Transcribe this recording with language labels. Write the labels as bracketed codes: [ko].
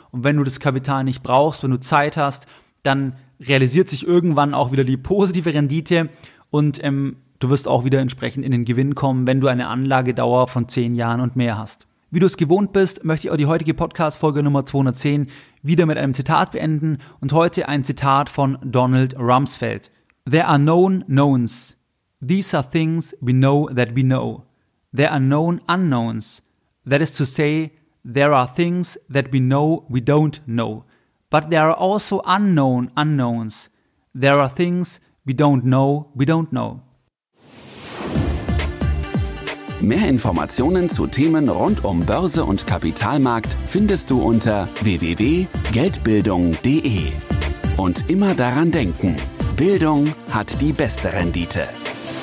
[de] Und wenn du das Kapital nicht brauchst, wenn du Zeit hast, dann realisiert sich irgendwann auch wieder die positive Rendite und du wirst auch wieder entsprechend in den Gewinn kommen, wenn du eine Anlagedauer von 10 Jahren und mehr hast. Wie du es gewohnt bist, möchte ich auch die heutige Podcast-Folge Nummer 210 wieder mit einem Zitat beenden und heute ein Zitat von Donald Rumsfeld. [en] There are known knowns. These are things we know that we know. There are known unknowns. That is to say, there are things that we know we don't know. But there are also unknown unknowns. There are things we don't know we don't know. [de] Mehr Informationen zu Themen rund um Börse und Kapitalmarkt findest du unter www.geldbildung.de. Und immer daran denken, Bildung hat die beste Rendite.